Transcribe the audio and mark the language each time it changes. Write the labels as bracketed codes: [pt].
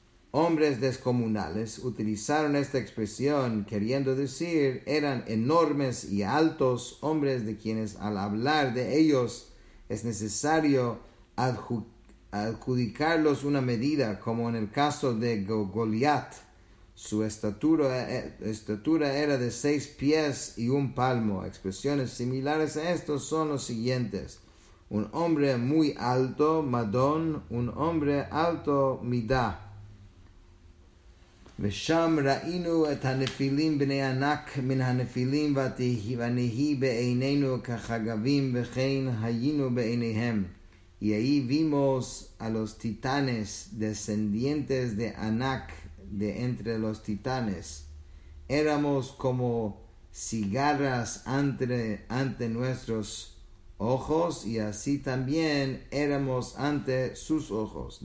[es] Hombres descomunales utilizaron esta expresión queriendo decir eran enormes y altos hombres, de quienes al hablar de ellos es necesario adjudicarlos una medida, como en el caso de Goliat. Su estatura era de 6 pies y 1 palmo. Expresiones similares a estos son los siguientes: un hombre muy alto, Madón; un hombre alto, Midá. [he] ושם ראינו את הנפילים בני ענק מן הנפילים, ונהי בעינינו כחגבים וכן היינו בעיניהם. [es] Y ahí vimos a los titanes, descendientes de ענק, de entre los titanes. Éramos como cigarras ante nuestros ojos, y así también éramos ante sus ojos.